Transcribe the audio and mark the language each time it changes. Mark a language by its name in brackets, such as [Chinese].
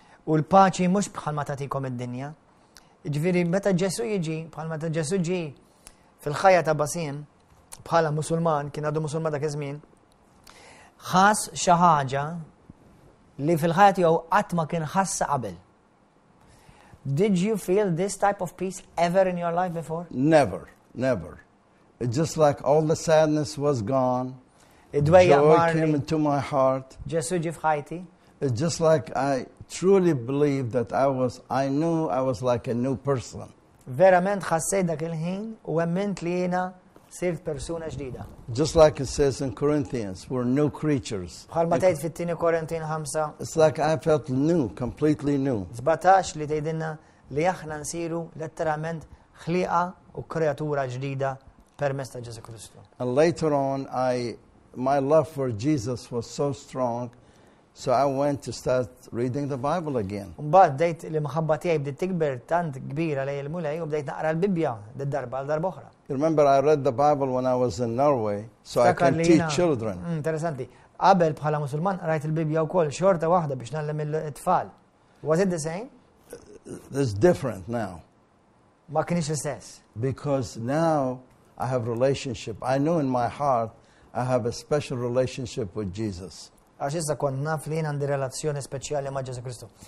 [Maltese] U l-paċi mux bħal ma tatikom id-dinja. Ġviri, meta Ġesu jiġi, bħal ma Ġesu ġi fil-ħajja ta' Basim, bħala musulman, kien għadu musulman dak iż-żmien, ħass xi ħaġa li fil-ħajja tiegħu qatt ma kien ħassa qabel. [English] Did you feel this type of peace ever in your life before? Never, never. It's just like all the sadness was gone. Joy came into my heart. It's just like I truly believe that I knew I was like a new person. [Maltese] Verament ħassejt dak il-ħin u emment li jiena sirt persuna ġdida. [English] Just like it says in Corinthians, we're new creatures. [Maltese] Bħal ma tgħid fit-tieni Korintin 5. [English] It's like I felt new, completely new. [Maltese] 17 li tgħidilna li aħna nsiru letterament ħliqa u kreatura ġdida permezz ta' Ġesu Kristu. [English] And later on my love for Jesus was so strong, so I went to start reading the Bible again. [Maltese] Mbagħad bdejt il-maħabba tiegħi bdiet tikber tant kbira lejn il-mulej u bdejt naqra l-Bibja lid-darba għal darba oħra. [English] Remember, I read the Bible when I was in Norway, so I can teach children. [Maltese] Interessanti. Qabel bħala musulman rajt il-Bibja wkoll xorta waħda biex nagħlem it-tfal. [English] Was it the same? It's different now. [Maltese] Ma kienx l-istess. [English] Because now I have relationship. I know in my heart I have a special relationship with Jesus. [Maltese] Għax issa kont naf li jiena għandi relazzjoni speċjali ma' Ġesu Kristu.